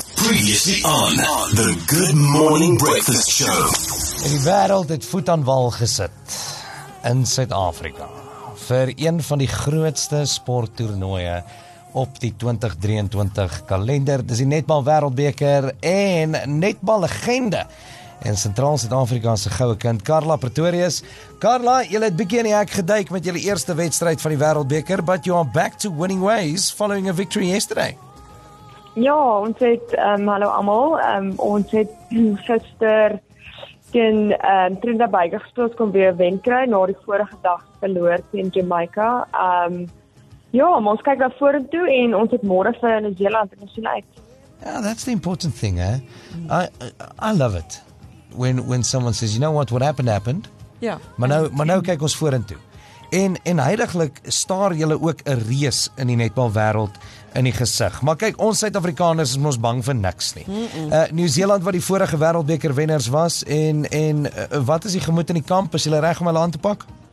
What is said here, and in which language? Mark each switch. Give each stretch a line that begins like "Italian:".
English: Previously on the Good Morning Breakfast Show.
Afrikaans: Die wêreld het voet aan wal gesit in Suid-Afrika vir een van die grootste sporttoernooie op die 2023 kalender. Dis die Netbal Wêreldbeker en Netbal Legende. En Centraal Suid-Afrika se goue kind Karla Pretorius. Karla, jy het bietjie in die hek geduik met jou eerste wedstryd van die Wêreldbeker,
English: but you are back to winning ways following a victory yesterday.
Afrikaans: Ja, ons het, hallo allemaal, ons het gister teen Trinidad-Tobago gespeel, ons kon weer wen kry, na die vorige dag verloor teen Jamaica. Ja, maar ons kyk daar vorentoe en ons het môre vir Nieu-Seeland en ons sien uit.
English: Ja, that's the important thing, eh? I love it when someone says, you know what happened, happened.
Afrikaans: Ja. Maar nou kyk ons vorentoe. En heiliglik staar julle ook 'n reus in die netbal wêreld in die gesig. Maar kyk, ons Suid-Afrikaners is ons bang vir niks nie. Nieu-Seeland wat die vorige wêreldbeker wenners was en wat is die gemoed in die kamp? Is hulle reg om hulle aan te pak?